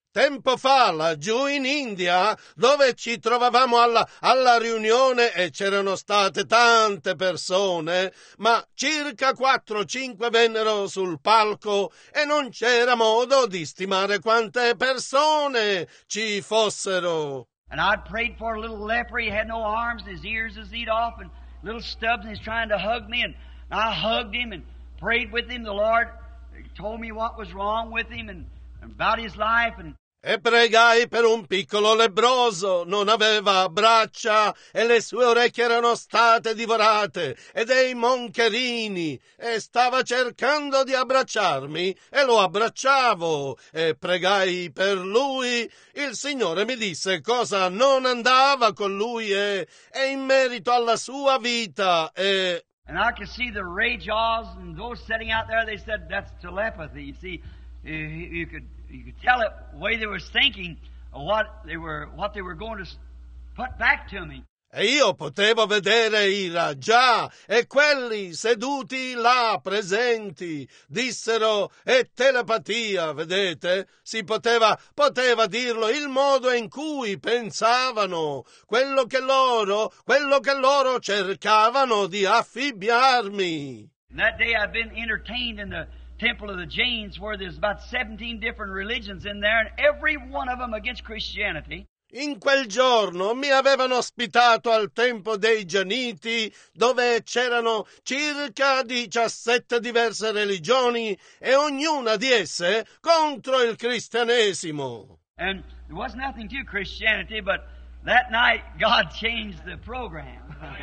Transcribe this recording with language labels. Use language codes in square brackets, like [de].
[it] Tempo fa, laggiù in India, dove ci trovavamo alla riunione e c'erano state tante persone, ma circa 4 o 5 vennero sul palco e non c'era modo di stimare quante persone ci fossero. [en] And I prayed for a little leper, he had no arms, his ears is eat off, and little stubs, and he's trying to hug me, and I hugged him and prayed with him. The Lord told me what was wrong with him and about his life. And [it] e pregai per un piccolo lebbroso, non aveva braccia e le sue orecchie erano state divorate e dei moncherini, e stava cercando di abbracciarmi e lo abbracciavo e pregai per lui. Il Signore mi disse cosa non andava con lui e in merito alla sua vita e... [en] And I could see the rajahs and those sitting out there, they said that's telepathy, you see. You could tell it the way they were thinking, what they were going to put back to me. [it] E io potevo vedere i rajà e quelli seduti là presenti dissero è telepatia, vedete? Si poteva dirlo il modo in cui pensavano, quello che loro cercavano di affibbiarmi. [en] And that day I've been entertained in the Temple of the Jains, where there's about 17 different religions in there, and every one of them against Christianity. [it] In quel giorno mi avevano ospitato al Tempio dei Gianiti, dove c'erano circa 17 diverse religioni, e ognuna di esse contro il cristianesimo. [en] And there was nothing to Christianity, but that night God changed the program.